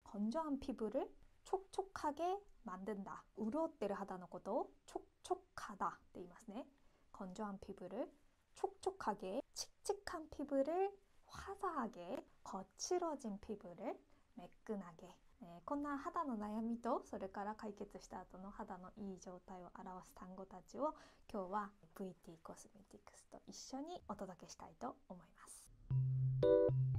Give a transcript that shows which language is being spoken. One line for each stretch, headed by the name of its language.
Korean: 건조한 피부를 촉촉하게 만든다.
Japanese: 潤ってる 肌のことを 촉촉하다 って 言いますね。
Korean: 건조한 피부를 촉촉하게, 칙칙한 피부를 화사하게, 거칠어진 피부를 매끈하게.
Japanese: こんな肌の悩みと、それから解決した後の肌のいい状態を表す単語たちを、今日は VT コスメティクスと一緒にお届けしたいと思います。